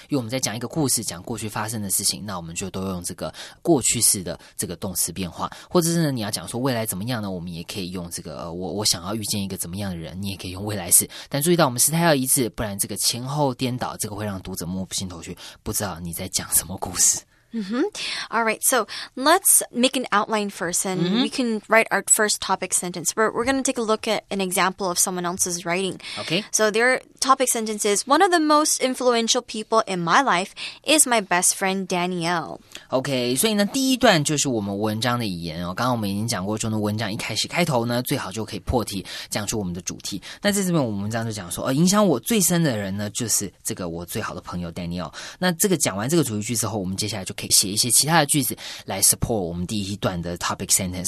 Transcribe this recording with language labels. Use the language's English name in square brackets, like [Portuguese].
[Chinese] 因为我们在讲一个故事，讲过去发生的事情，那我们就都用这个过去式的这个动词变化，或者是呢，你要讲说未来怎么样呢？我们也可以用这个我想要遇见一个怎么样的人，你也可以用未来式。但注意到我们时态要一致，不然这个前后颠倒，这个会让读者摸不清头绪，不知道你在讲什么故事。 Mm-hmm. [English] All right, so let's make an outline first, and mm-hmm. we can write our first topic sentence. We're going to take a look at an example of someone else's writing. Okay. So their topic sentence is, one of the most influential people in my life is my best friend, Danielle. [Chinese] Okay, 所以呢第一段就是我们文章的语言哦。刚刚我们已经讲过中的文章一开始开头呢，最好就可以破题，讲出我们的主题。那在这边我们文章就讲说，影响我最深的人呢，就是这个我最好的朋友 Danielle。那这个讲完这个主题句之后，我们接下来就可以写一些其他的句子来 support 我们第一段的 topic sentence。